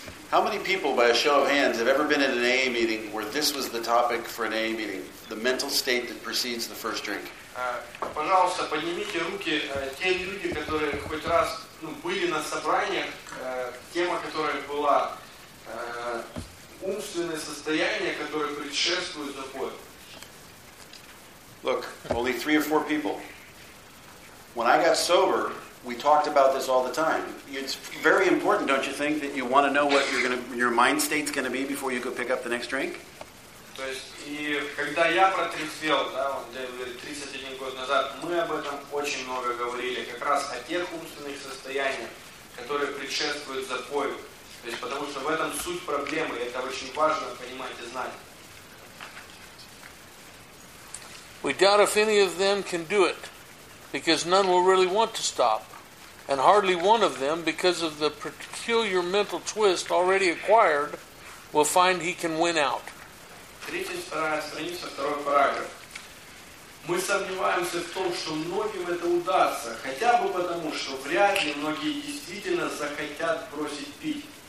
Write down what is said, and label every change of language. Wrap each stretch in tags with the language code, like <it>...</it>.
<en>How many people, by a show of hands, have ever been in an AA meeting where this was the topic for an AA meeting, the mental state that precedes the first drink?</en> <ru>Пожалуйста, поднимите руки те люди, которые хоть раз были на собраниях, тема которой была умственное состояние, которое предшествует запою.</ru> <en>Look, only 3 or 4 people. When I got sober, we talked about this all the time. It's very important, don't you think, that you want to know what your mind state's going to be before you go pick up the next drink?</en> <ru>То есть, и когда я протрезвел, да, он говорит, 31 год назад, мы об этом очень много говорили, как раз о тех умственных состояниях, которые предшествуют запою. То есть, потому что в этом суть проблемы, и это очень важно понимать и знать.</ru> <en>We doubt if any of them can do it, because none will really want to stop. And hardly one of them, because of the peculiar mental twist already acquired, will find he can win out.</en> <ru>32 страница, 2 параграф. Мы сомневаемся в том, что многим это удастся, хотя бы потому, что вряд ли многие действительно захотят бросить пить.</ru>